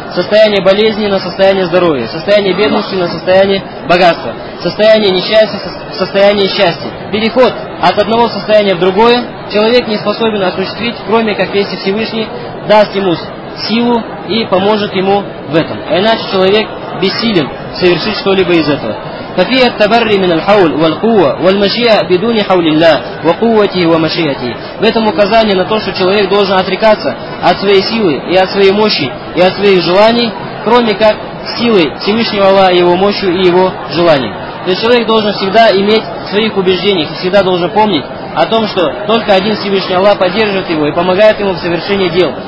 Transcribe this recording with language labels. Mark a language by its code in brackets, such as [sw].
[ru] Состояние болезни на состояние здоровья, состояние бедности на состояние богатства, состояние несчастья в состояние счастья. Переход от одного состояния в другое человек не способен осуществить, кроме как если Всевышний даст ему силу и поможет ему в этом. А иначе человек бессилен совершить что-либо из этого. [ar] ففيه التبري من الحول والقوة والمشيئة بدون حول الله وقوته ومشيئته. [ru] В этом указание на то, что человек должен отрекаться от своей силы и от своей мощи и от своих желаний, кроме как силой Всевышнего Аллаха, его мощью и его желанием. То есть человек должен всегда иметь в своих убеждениях и всегда должен помнить о том, что только один Всевышний Аллах поддерживает его и помогает ему в совершении дел.